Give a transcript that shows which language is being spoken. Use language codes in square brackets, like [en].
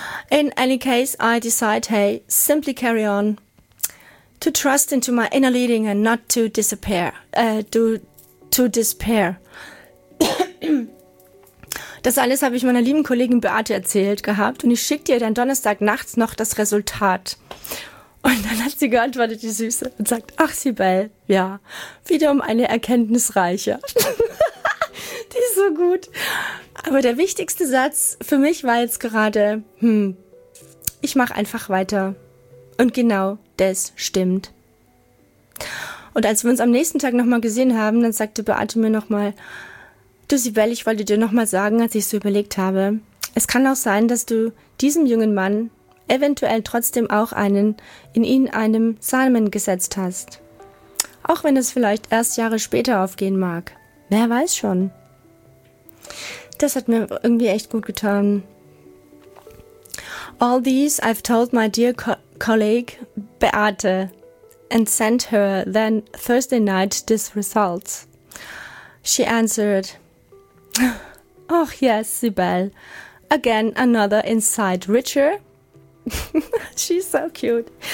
[en] In any case, I decide, hey, simply carry on. To trust into my inner leading and not to disappear. To despair. [de] Das alles habe ich meiner lieben Kollegin Beate erzählt gehabt und ich schicke dir dann Donnerstag nachts noch das Resultat. Und dann hat sie geantwortet, die Süße, und sagt, ach, Sibel, ja, wiederum eine erkenntnisreiche. Die ist so gut. Aber der wichtigste Satz für mich war jetzt gerade, ich mache einfach weiter. Und genau das stimmt. Und als wir uns am nächsten Tag nochmal gesehen haben, dann sagte Beate mir nochmal, du Sibel, ich wollte dir nochmal sagen, als ich so überlegt habe, es kann auch sein, dass du diesem jungen Mann eventuell trotzdem auch einen in ihn einem Samen gesetzt hast. Auch wenn es vielleicht erst Jahre später aufgehen mag. Wer weiß schon. Das hat mir irgendwie echt gut getan. [en] All these I've told my dear colleague Beate and sent her then Thursday night this result. She answered, Oh yes, Sibel, again another insight richer. She's so cute.